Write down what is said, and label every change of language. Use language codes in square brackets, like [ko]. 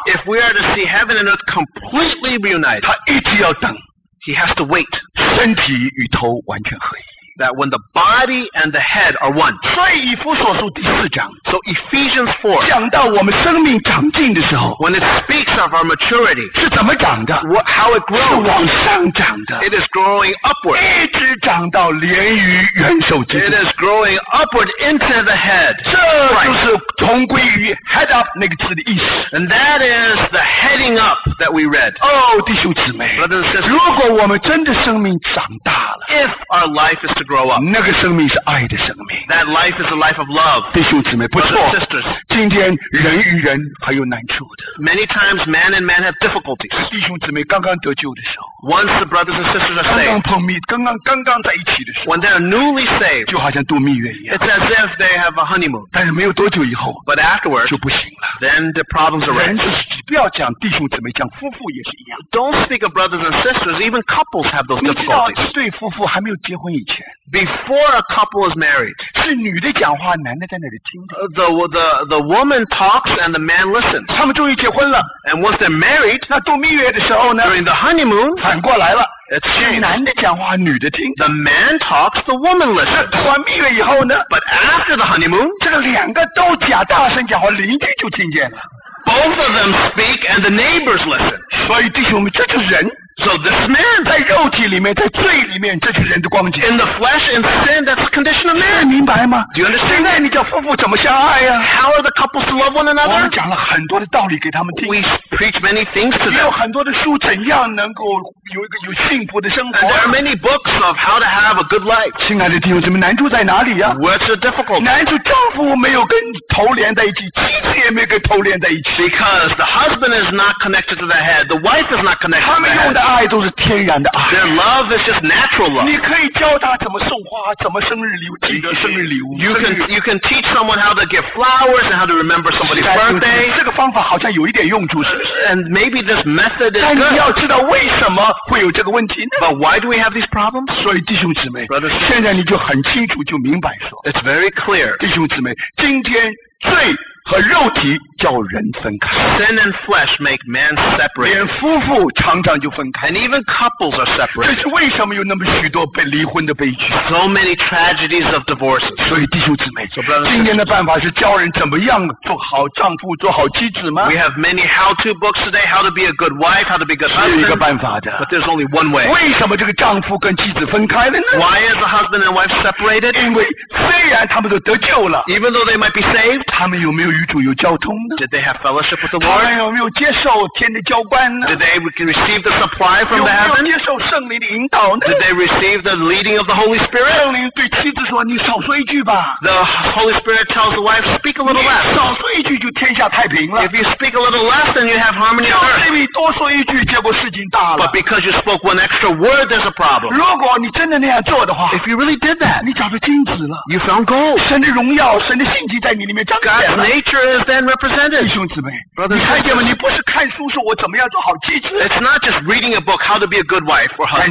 [en] if we are to see heaven and earth completely reunited, [zh] 他一直要等, [en] he has to wait, [zh] 身体与头完全合一, [en] that when the body and the head are one. [zh] 所以以弗所书第四章, [en] so Ephesians 4, [zh] 讲到我们生命长进的时候, [en] when it speaks of our maturity, [zh] 是怎么长的? [en] What, how it grows, [zh] 是往上长的, [en] it is growing upward, [zh] 一直长到连于元首之中, [en] it is growing upward into the head. [zh] 这就是同归于 head up 那个字的意思, [en] and that is the heading up that we read. [zh] 哦弟兄姊妹, [en] brothers and sisters, [zh] 如果我们真的生命长大了, [en] if our life is to grow up, [zh] 那个生命是爱的生命, [en] that life is a life of love. [zh] 弟兄姊妹, 不错, [en] sisters, [zh] 今天人与人还有难处的, [en] many times man and man have difficulties. [zh] 弟兄姊妹刚刚得救的时候, [en] once the brothers and sisters are saved, [zh] 刚刚碰蜜刚刚在一起的时候, [en] when they are newly saved, [zh] 就好像度蜜月一样, [en] it's as if they have a honeymoon. [zh] 但是没有多久以后, [en] but afterwards, [zh] 就不行了, [en] then the problems arise. [zh] 不要讲弟兄姊妹, 讲夫妇也是一样, [en] don't speak of brothers and sisters, even couples have those difficulties. [zh] 你知道对夫妇还没有结婚以前, [en] before a couple is married, [zh] 是女的讲话, [en] the woman talks and the man listens. [zh] 他们终于结婚了, [en] and once they're married, [zh] 那度蜜月的时候呢, [en] during the honeymoon, [zh] 反过来了, [en] it's changed. [zh] 男的讲话女的听, [en] the man talks, the woman listens. [zh] 那度完蜜月以后呢, [en] but after the honeymoon, [zh] 这个两个都假大声讲话, 邻居就听见了, [en] both of them speak and the neighbors listen. [zh] 所以弟兄们, 这就是人, [en] so this man, [zh] 在肉体里面, 在罪里面, 这就是人的光景, [en] in the flesh and sin, that's the condition of man. [zh] 明白吗? [en] Do you understand? [zh] 现在你叫夫妇怎么相爱啊? [en] How are the couples to love one another? [zh] 我们讲了很多的道理给他们听, [en] we preach many things to them. [zh] 有很多的书怎样能够有一个有幸福的生活, [en] and there are many books of how to have a good life. [zh] 亲爱的弟兄姊妹, 难处在哪里啊? [en] What's the difficulty? [zh] 难处丈夫没有跟头连在一起, 妻子也没有跟头连在一起, [en] because the husband is not connected to the head, the wife is not connected to the head. [zh] 爱都是天然的爱, [en] their love is just natural love. [zh] 你可以教他怎么送花, 怎么生日礼物, 你的生日礼物, [en] you can teach someone how to give flowers and how to remember somebody's birthday. [zh] 这个方法好像有一点用处, [en] and maybe this method is good. [zh] 但你要知道为什么会有这个问题呢? [en] But why do we have these problems? [zh] 所以弟兄姊妹, [en] brothers, [zh] 现在你就很清楚就明白说, [en] it's very clear. [zh] 弟兄姊妹, 今天最 和肉体叫人分开, [en] sin and flesh make man separate. [zh] 连夫妇常常就分开, [en] and even couples are separate. [zh] 这是为什么有那么许多离婚的悲剧, [en] so many tragedies of divorces. [zh] 所以弟兄姊妹, [en] so brothers, [zh] 今天的办法是教人怎么样做好丈夫做好妻子吗? [en] We have many how to books today, how to be a good wife, how to be a good husband. [zh] 是一个办法的, [en] but there's only one way. [zh] 为什么这个丈夫跟妻子分开了呢? [en] Why is the husband and wife separated? [zh] 因为虽然他们都得救了, [en] even though they might be saved, [zh] 他们有没有与主有交通呢? [en] Did they have fellowship with the Lord? [zh] 他们有没有接受天的浇灌呢? [en] Did they receive the supply from the heaven? [zh] 有没有接受圣灵的引导呢? [en] Did they receive the leading of the Holy Spirit? [zh] 圣灵对妻子说你少说一句吧。 [en] The Holy Spirit tells the wife, speak a little less. [zh] 少说一句就天下太平了。 [en] If you speak a little less, then you have harmony on earth. [zh] 就是你多说一句结果事情大了。 [en] But because you spoke one extra word, there's a problem. [zh] 如果你真的那样做的话, [en] If you really did that, [zh] 你找到金子了。 [en] You found gold. [zh] 神的荣耀神的信息在你里面彰显了。 [en] God's nature is then represented. [zh] 弟兄姊妹, [en] Brothers, [zh] 你看见吗? 你不是看书说我怎么样做好妻子。 [en] It's not just reading a book, how to be a good wife or husband.